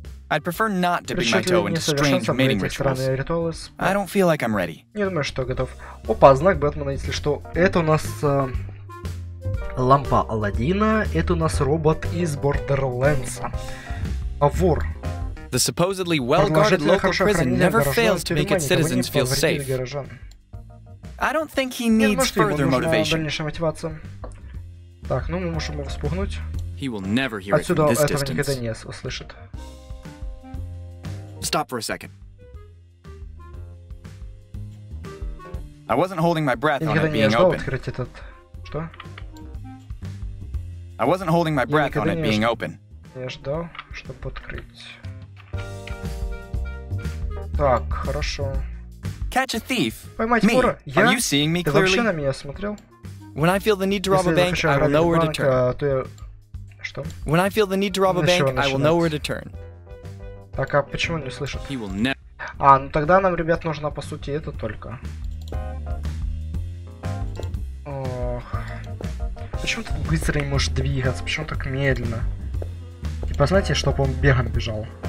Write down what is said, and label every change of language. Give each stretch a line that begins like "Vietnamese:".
English: I'd prefer not dipping my toe into strange mating rituals. I don't feel like I'm ready.
Russian: Не думаю, что готов. Опа, знак Бэтмена, если что. Это у нас лампа Аладдина. Это у нас робот из Borderlands. Вор.
English: The supposedly well-guarded local prison never fails to make its citizens feel safe. I don't think he needs further motivation.
Russian: Дальнейшая мотивация. Так, ну мы можем его вспугнуть.
English: He will never hear it from this distance.
Russian: Отсюда этого никогда не услышит.
English: Stop for a second. I wasn't holding my breath on it being open.
Russian: Я никогда не ждал открыть этот... Что?
English: I wasn't holding my breath on it being open.
Russian: Я ждал, чтобы открыть. Так, хорошо.
English: Catch a thief?
Russian: Поймать
English: me?
Russian: Вора?
English: Are you seeing me clearly?
Russian: Ты вообще на меня смотрел?
English: When I feel the need to rob a bank, I will know where to turn.
Russian: Что?
English: When I feel the need to rob a bank, I will know where to turn.
Russian: Так, а почему не слышат? А, ну тогда нам, ребят, нужно по сути это только. Ох. Почему так быстро не можешь двигаться? Почему так медленно? Типа, знаете, чтобы он бегом бежал.